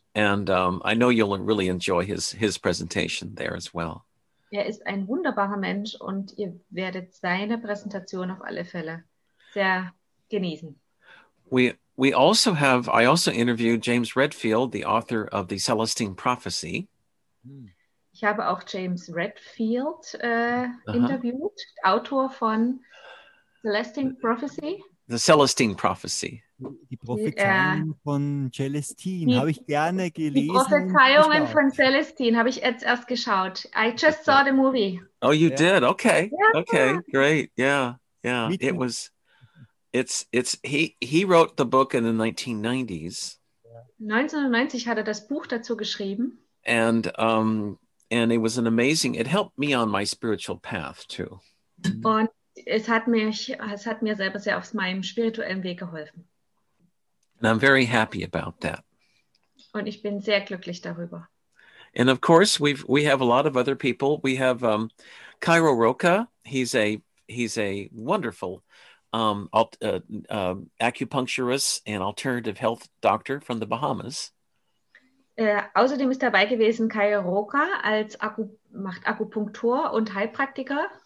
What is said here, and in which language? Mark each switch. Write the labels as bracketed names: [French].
[English] And I know you'll really enjoy his presentation there as well. [German] Er ist ein wunderbarer Mensch und ihr werdet seine Präsentation auf alle Fälle sehr genießen. [English] I also interviewed James Redfield, the author of The Celestine Prophecy. [German] Ich habe auch James Redfield interviewt, Autor von Celestine Prophecy. [English] The Celestine Prophecy. [German] Die Prophezeiungen von Celestine habe ich gerne gelesen. Die Prophezeiungen von Celestine habe ich jetzt erst geschaut. [English] I just saw the movie. Oh, you did? Okay. Yeah. Okay, great. Yeah. It was, he wrote the book in the 1990s. [German] 1990 hat er das Buch dazu geschrieben. [English] And it was an amazing, it helped me on my spiritual path too. [German] Und es hat mir selber sehr auf meinem spirituellen Weg geholfen. [English] And I'm very happy about that. [German] Und ich bin sehr glücklich darüber. [English] And of course, we have a lot of other people. We have Cairo Rocha. He's a wonderful acupuncturist and alternative health doctor from the Bahamas. [German] Außerdem ist dabei gewesen Cairo Rocha als Akupunktur und Heilpraktiker.